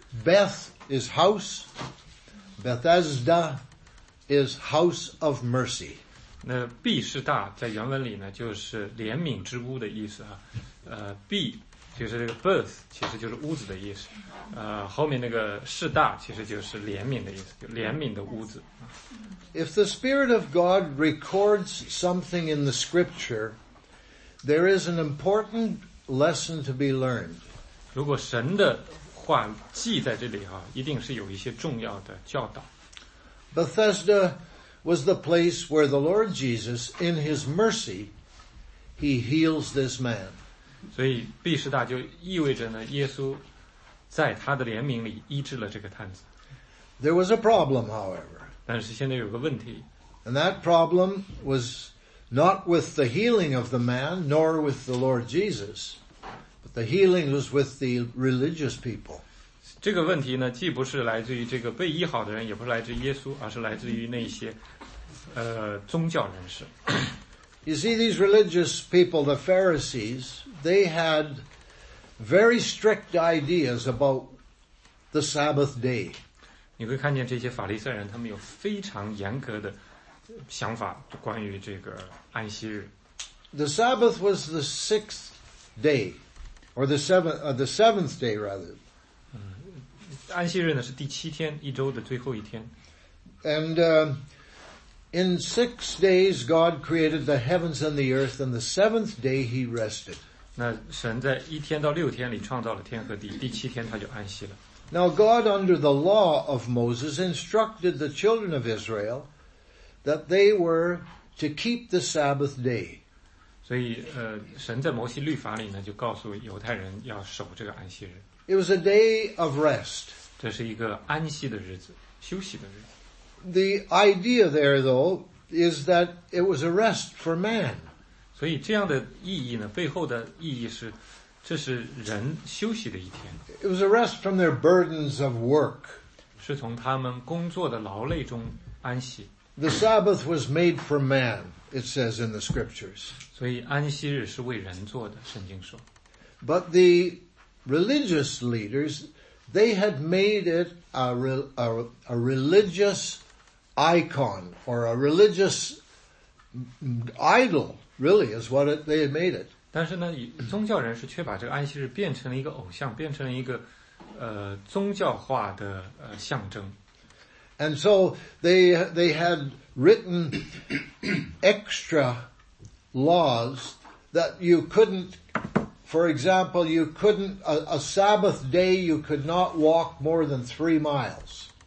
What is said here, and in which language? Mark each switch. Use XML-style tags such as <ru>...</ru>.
<en>Beth is house. Bethesda is house of mercy.</en> <zh>那毕士大在原文里呢，就是怜悯之屋的意思啊。毕就是这个 birth， 其实就是屋子的意思。后面那个士大其实就是怜悯的意思，就怜悯的屋子。</zh> <en>If the Spirit of God records something in the Scripture, there is an important lesson to be learned.</en> <zh>如果神的话记在这里啊，一定是有一些重要的教导。</zh> <en>Bethesda was the place where the Lord Jesus, in His mercy, He heals this man.</en> <zh>所以毕士大就意味着呢，耶稣在他的怜悯里医治了这个瘫子。</zh> <en>There was a problem, however.</en> <zh>但是现在有个问题。</zh> <en>And that problem was not with the healing of the man, nor with the Lord Jesus, but the healing was with the religious people.</en> <zh>这个问题呢，既不是来自于这个被医好的人，也不是来自于耶稣，而是来自于那些宗教人士。</zh> <en>You see, these religious people, the Pharisees, they had very strict ideas about the Sabbath day.</en> <zh>你会看见这些法利赛人，他们有非常严格的想法关于这个安息日。</zh> <en>The Sabbath was the sixth day, or the seventh day rather.</en> <zh>安息日呢是第七天，一周的最后一天。</zh> <en>And in 6 days God created the heavens and the earth, and the seventh day He rested.</en> <zh>那神在一天到六天里创造了天和地，第七天他就安息了。</zh> <en>Now God, under the law of Moses, instructed the children of Israel that they were to keep the Sabbath day.</en> <zh>所以神在摩西律法里呢就告诉犹太人要守这个安息日。</zh> <en>It was a day of rest.</en> <zh>这是一个安息的日子，休息的日子。</zh> <en>The idea there, though, is that it was a rest for man.</en> <zh>所以这样的意义呢，背后的意义是，这是人休息的一天。</zh> <en>It was a rest from their burdens of work.</en> <zh>是从他们工作的劳累中安息。</zh> <en>The Sabbath was made for man, it says in the scriptures.</en> <zh>所以安息日是为人做的，圣经说。</zh> <en>But the religious leaders, they had made it a religious icon or a religious idol, really, is what they had made it.</en> <zh>但是呢，宗教人士却把这个安息日变成了一个偶像，变成了一个宗教化的象征。</zh> <en>And so they had written extra laws that you couldn't, for example, you couldn't, a Sabbath day, you could not walk more than 3 miles.</en>